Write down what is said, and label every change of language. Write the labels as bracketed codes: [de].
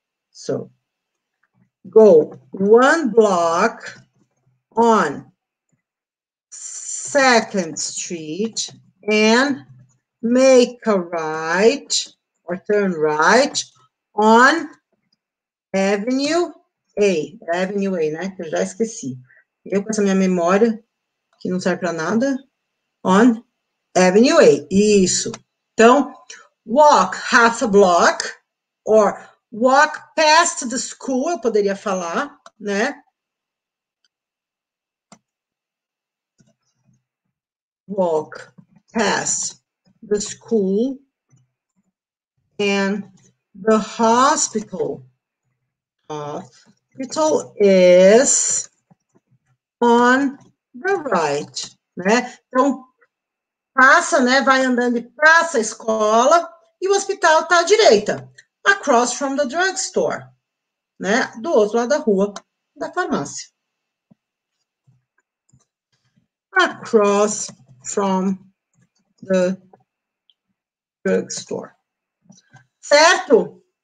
[en] So, go one block on Second Street and make a right or turn right on Avenue A. [pt] Avenue A, né? Que eu já esqueci. Eu com essa minha memória que não serve para nada. [en] On Avenue A. Isso. Então, walk half a block or walk past the school, [pt] eu poderia falar, né? [en] Walk past the school and the hospital. Hospital is on the right, né? [pt] Então, passa, né? Vai andando e passa a escola e o hospital tá à direita. [en] Across from the drugstore, [pt] né? Do outro lado da rua, da farmácia. [en] Across from the drugstore. Certo?